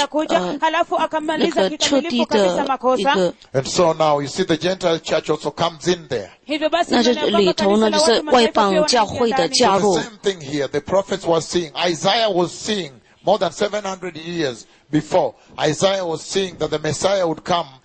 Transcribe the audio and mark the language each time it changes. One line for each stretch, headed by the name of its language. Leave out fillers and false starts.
Chinese: 然后呢，就隐藏了很多的事情，然后呢，就是那个彻底的一个。
English: And so now you see the Gentile church also comes in there.
Chinese: 那这里头呢，就是外邦教会的加入。
English: The same thing here, the prophets were seeing, Isaiah was seeing more than 700 years before, Isaiah was seeing that the Messiah would come.